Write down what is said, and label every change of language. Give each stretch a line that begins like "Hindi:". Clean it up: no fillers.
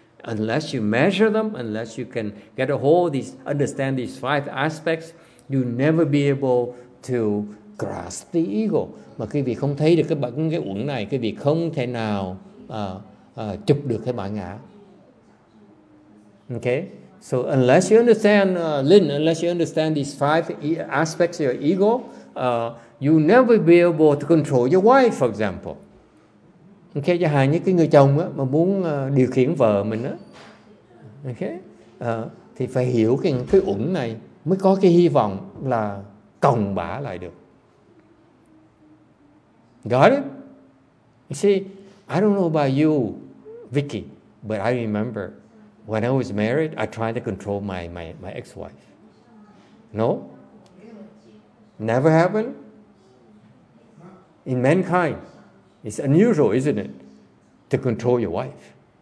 English: Unless you measure them, unless you can get a hold of these, understand these five aspects, you never be able to grasp the ego.
Vietnamese: Mà quý vị không thấy được cái uẩn này, quý vị không thể nào chụp được cái bản ngã.
English: Okay? So unless you understand, Lin, unless you understand these five aspects of your ego, you never be able to control your wife, for example. Okay?
Vietnamese: Chẳng hạn như cái người chồng á, mà muốn điều khiển vợ mình á. Okay? Thì phải hiểu cái uẩn này mới có cái hy vọng là cồng bả lại được.
English: Got it? You see, I don't know about you, Vicky, but I remember when I was married, I tried to control my ex-wife. No? Never happened? In mankind, it's unusual, isn't it, to control your wife.